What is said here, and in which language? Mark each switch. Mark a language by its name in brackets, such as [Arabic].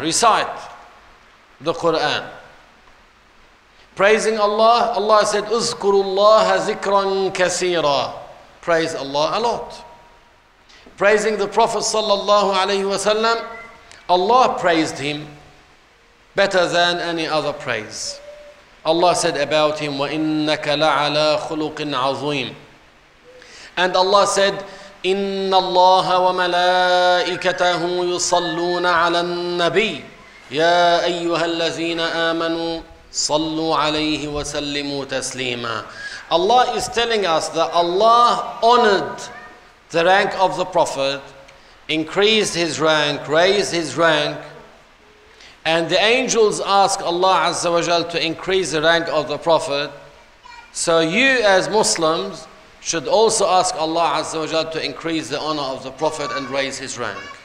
[English] Recite the Quran. Praising Allah, Allah said, [Arabic] اُذْكُرُ اللَّهَ ذِكْرًا كَثِيرًا. [English] Praise Allah a lot. Praising the Prophet sallallahu alayhi wa sallam, Allah praised him better than any other praise. Allah said about him, [Arabic] وَإِنَّكَ لَعَلَىٰ خُلُقٍ عَظِيمٍ. [English] And Allah said, [Arabic] إِنَّ اللَّهَ وَمَلَائِكَتَهُ يُصَلُّونَ عَلَى النَّبِيِّ. يا أيها الذين آمنوا صلوا عليه وسلموا تسليما. [English] Allah is telling us that Allah honored the rank of the Prophet, increased his rank, raised his rank. And the angels ask Allah Azza wa Jal to increase the rank of the Prophet. So you as Muslims should also ask Allah Azza wa Jal to increase the honor of the Prophet and raise his rank.